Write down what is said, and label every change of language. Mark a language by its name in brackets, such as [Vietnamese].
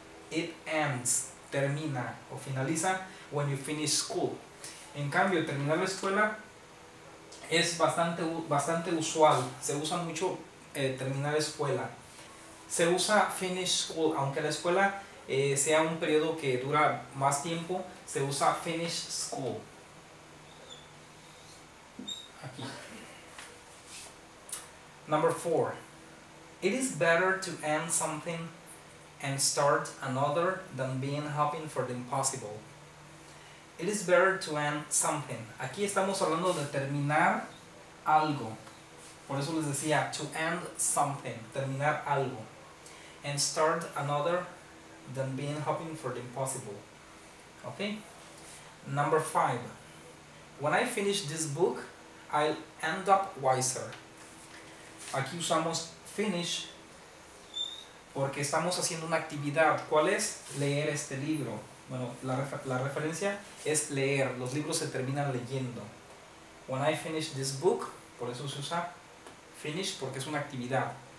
[English] It ends, [Spanish] termina o finaliza [English] when you finish school. [Spanish] En cambio, terminar la escuela es bastante usual. Se usa mucho terminar la escuela. Se usa [English] finish school, [Spanish] aunque la escuela sea un periodo que dura más tiempo, se usa finish school. Aquí. [English] Number four. It is better to end something and start another than being hoping for the impossible. It is better to end something. [Spanish] Aquí estamos hablando de terminar algo. Por eso les decía, [English] to end something, [Spanish] terminar algo. [English] And start another than being hoping for the impossible. Okay? Number five. When I finish this book, I'll end up wiser. [Spanish] Aquí usamos finish porque estamos haciendo una actividad. ¿Cuál es? Leer este libro. Bueno, la referencia es leer. Los libros se terminan leyendo. [English] When I finish this book, [Spanish] por eso se usa finish, porque es una actividad.